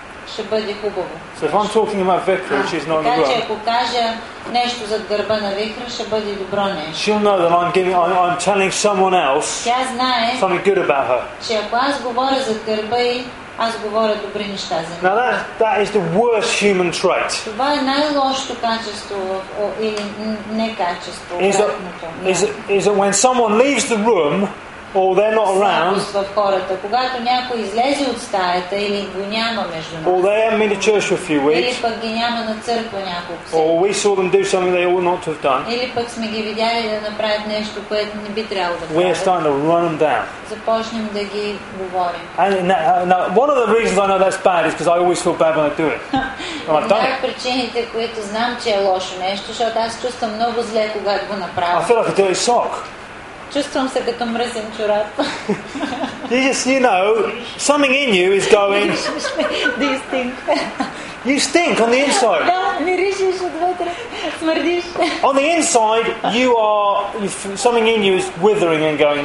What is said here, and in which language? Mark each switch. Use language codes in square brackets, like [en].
[en] So if I'm talking about Vikra and she's not in the room, she'll know that I'm telling someone else something good about her. [bg] Аз говоря добри неща за него. [en] Now that is the worst human trait. [bg] Това е най-лошото качество или некачество. [en] Is it when someone leaves the room or they're not around? [bg] В хората, когато някой излезе от стаята или го няма между нас. [en] Or they haven't been to church for a few weeks. [bg] Или пък ги няма на църква няколко седмици. [en] Or we saw them do something they ought not to have done. [bg] Или пък сме ги видяли да направят нещо, което не би трябвало да правят. [en] We're starting to run them down. [bg] Започнем да ги говорим. [en] And now, one of the reasons I know that's bad is because I always feel bad when I do it. [bg] Една от причините, които знам, че е лошо нещо, защото аз чувствам много зле, когато го направя. [en] I feel like a dirty sock. [bg] Чувствам се като мръсен чорап. [en] You just, you know, something in you is going. Do you stink? You stink on the inside. [bg] Да, миришеш отвътре, смърдиш. [en] On the inside, you are, something in you is withering and going.